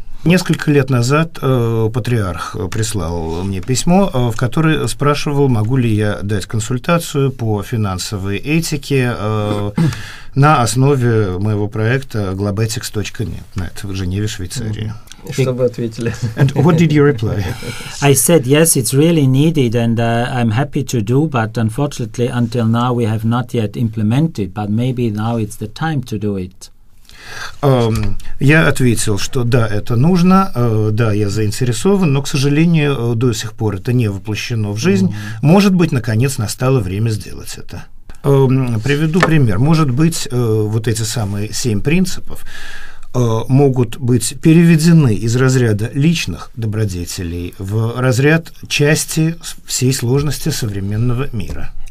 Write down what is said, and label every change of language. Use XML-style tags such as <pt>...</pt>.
<ru>Несколько лет назад патриарх прислал мне письмо, в котором спрашивал, могу ли я дать консультацию по финансовой этике на основе моего проекта Globetics.net в Женеве, Швейцарии. Что вы ответили?</ru> <en>And what did you reply? I said, yes, it's really needed, and I'm happy to do, but unfortunately, until now, we have not yet implemented, but maybe now it's the time to do it.</en> <ru>Я ответил, что да, это нужно, да, я заинтересован, но, к сожалению, до сих пор это не воплощено в жизнь. Может быть, наконец настало время сделать это. Приведу пример. Может быть, вот эти самые семь принципов могут быть переведены из разряда личных добродетелей в разряд части всей сложности современного мира.</ru>